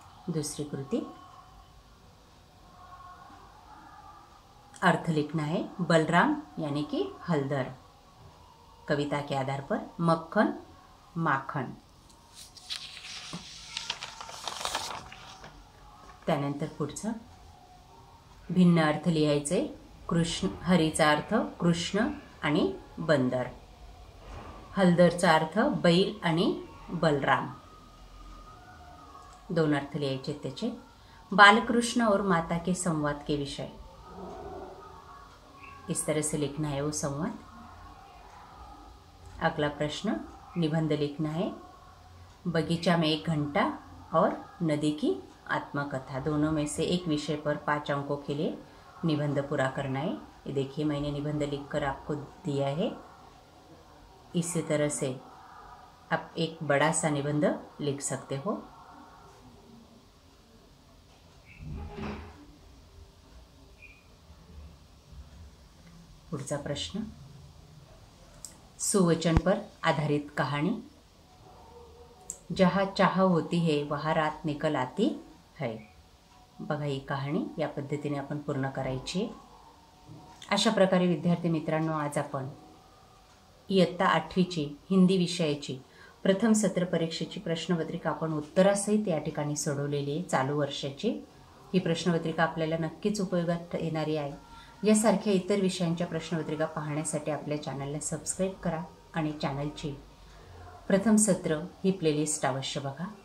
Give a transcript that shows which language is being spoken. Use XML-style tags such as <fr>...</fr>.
<hi>दूसरी कृति, अर्थ लिखना है, बलराम यानी कि हल्दर, कविता के आधार पर मक्खन माखन।</hi> <mr>त्यानंतर पुढचं भिन्न अर्थ लिहायचे, कृष्ण हरीचा अर्थ कृष्ण आणि बंदर, हल्दरचा अर्थ बैल आणि बलराम, दोन अर्थ लिहायचे त्याचे।</mr> <hi>बालकृष्ण और माता के संवाद के विषय, इस तरह से लिखना है वो संवाद। अगला प्रश्न, निबंध लिखना है, बगीचा में एक घंटा और नदी की आत्मकथा, दोनों में से एक विषय पर 5 अंकों के लिए निबंध पूरा करना है। ये देखिए, मैंने निबंध लिखकर आपको दिया है, इसी तरह से आप एक बड़ा सा निबंध लिख सकते हो।</hi> <mr>पुढचा प्रश्न,</mr> <hi>सुवचन पर आधारित कहानी, जहाँ चाह होती है वहाँ रात निकल आती है,</hi> <mr>बघा ही कहानी या पद्धतीने आपण पूर्ण करायची। अशा प्रकारे विद्यार्थी मित्रांनो, आज आपण इयत्ता 8वीची हिंदी विषयाची प्रथम सत्र परीक्षेची प्रश्नपत्रिका आपण उत्तरासहित या ठिकाणी सोडवलेली आहे। चालू वर्षाची ही प्रश्नपत्रिका आपल्याला नक्कीच उपयोगात येणारी आहे। यासारख्या इतर विषयांच्या प्रश्नपत्रिका पाहण्यासाठी आपल्या चॅनलला सबस्क्राईब करा आणि चॅनलची प्रथम सत्र ही प्लेलिस्ट अवश्य बघा।</mr>